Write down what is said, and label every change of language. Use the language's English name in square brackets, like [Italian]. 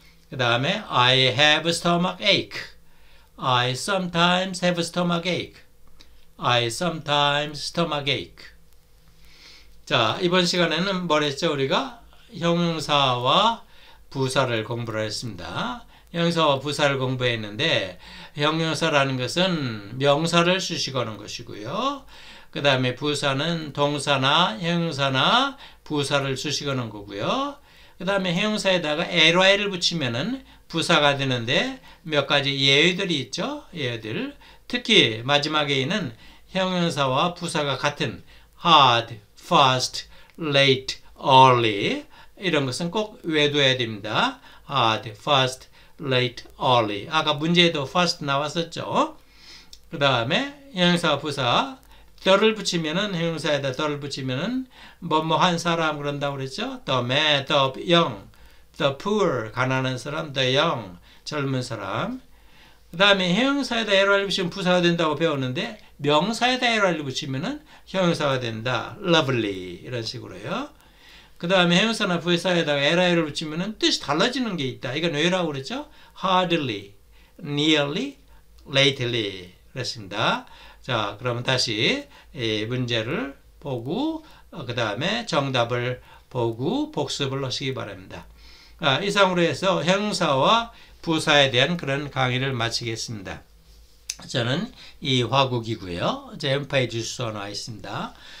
[Korean] 그 다음에 [English] I have a stomach ache. I sometimes have a stomach ache. I sometimes stomach ache. [Korean] 자, 이번 시간에는 뭘 했죠? 우리가 형용사와 부사를 공부를 했습니다. 형용사와 부사를 공부했는데, 형용사라는 것은 명사를 수식하는 것이고요. 그 다음에 부사는 동사나 형용사나 부사를 수식하는 거고요. 그 다음에 형용사에다가 ly를 붙이면은 부사가 되는데 몇 가지 예외들이 있죠. 예외들. 특히 마지막에 있는 형용사와 부사가 같은 hard, fast, late, early 이런 것은 꼭 외워야 됩니다. [English] hard, fast, late, early. [Korean] 아까 문제에도 fast 나왔었죠. 그 다음에 형용사와 부사 the를 붙이면은 형용사에다 the를 붙이면은 뭐뭐한 사람 그런다고 그랬죠? [English] The mad, the young, the poor [Korean] 가난한 사람, [English] the young [Korean] 젊은 사람. 그 다음에 형용사에다 ly 붙이면 부사가 된다고 배웠는데 명사에다 ly 붙이면은 형용사가 된다. lovely 이런 식으로요. 그 다음에 형용사나 부사에다가 ly를 붙이면은 뜻이 달라지는 게 있다. 이건 왜라고 그랬죠? [English] hardly, nearly, lately 그랬습니다. [Korean] 자, 그러면 다시 이 문제를 보고, 그 다음에 정답을 보고 복습을 하시기 바랍니다. 아, 이상으로 해서 형사와 부사에 대한 그런 강의를 마치겠습니다. 저는 이화국이고요. 제 홈페이지 주소 나와 있습니다.